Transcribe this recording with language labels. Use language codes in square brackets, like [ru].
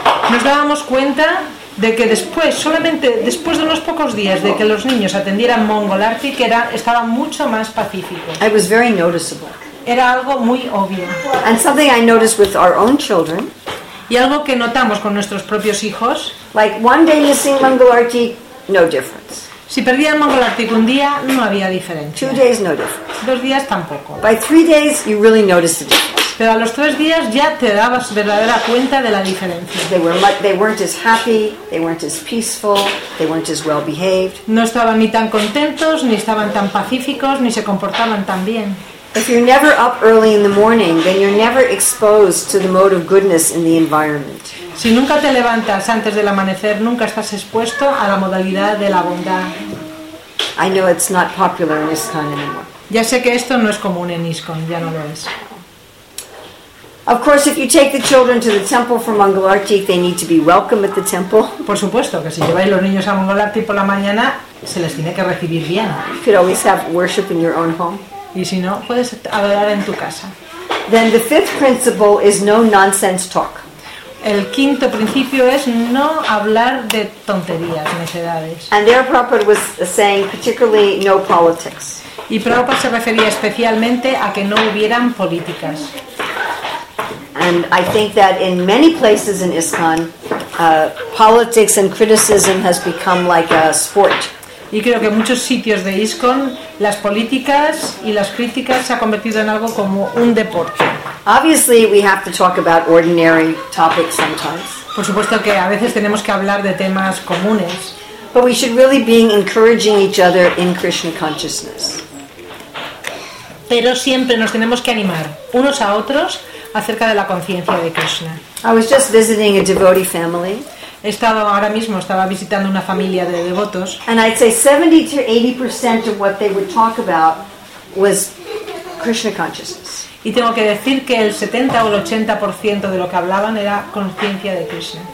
[es] Nos dábamos cuenta de que después, solamente después de unos pocos días de que los niños atendieran Mangal Arati, que estaba mucho más pacífico. [en] It was very noticeable. [es] Era algo muy obvio. [en] And something I noticed with our own children. [es] Y algo que notamos con nuestros propios hijos. [en] Like one day missing Mangal Arati, no difference. [es] Si perdían Mangal Arati un día, no había diferencia. [en] 2 days, no difference. [es] 2 días, tampoco. [en] By 3 days, you really notice the difference. [es] Pero a los 3 días ya te dabas verdadera cuenta de la diferencia. [en] They weren't as happy, they weren't as peaceful, they weren't as well behaved. [es] No estaban ni tan contentos, ni estaban tan pacíficos, ni se comportaban tan bien. [en] If you're never up early in the morning, then you're never exposed to the mode of goodness in the environment. [es] Si nunca te levantas antes del amanecer, nunca estás expuesto a la modalidad de la bondad. [en] I know it's not popular in ISKCON anymore. [es] Ya sé que esto no es común en ISKCON, ya no lo es. [en] Of course, if you take the children to the temple for Mangal Arati, they need to be welcome at the temple. [es] Por supuesto que si lleváis los niños a Mangal Arati por la mañana, se les tiene que recibir bien. [en] You could always have worship in your own home. [es] Y si no, puedes adorar en tu casa. [en] Then the fifth principle is no nonsense talk. [es] El quinto principio es no hablar de tonterías, necedades. [en] And there Prabhupada was saying particularly no politics. [es] Y Prabhupada se refería especialmente a que no hubieran políticas. [en] And I think that in many places in ISKCON, politics and criticism has become like a sport. [es] Y creo que en muchos sitios de ISKCON las políticas y las críticas se ha convertido en algo como un deporte. [en] Obviously, we have to talk about ordinary topics sometimes. [es] Por supuesto que a veces tenemos que hablar de temas comunes. [en] But we should really be encouraging each other in Krishna consciousness. [es] Pero siempre nos tenemos que animar unos a otros acerca de la conciencia de Krishna. [en] I was just visiting a devotee family. [es] Estaba ahora mismo estaba visitando una familia de devotos. [en] And I'd say 70 to 80% of what they would talk about was Krishna consciousness. [es] Y tengo que decir que el 70 o el 80% de lo que hablaban era conciencia de Krishna.